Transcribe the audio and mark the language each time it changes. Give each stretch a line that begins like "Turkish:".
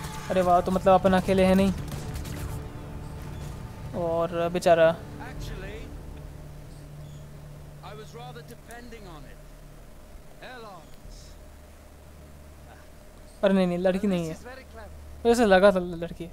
Hindi: अरे वाह, तो मतलब अपन अकेले हैं नहीं? और बेचारा।
English: Actually, I was rather depending on it. Lawrence.
Hindi: अरे नहीं नहीं लड़की नहीं है, वैसे लगा था लड़की।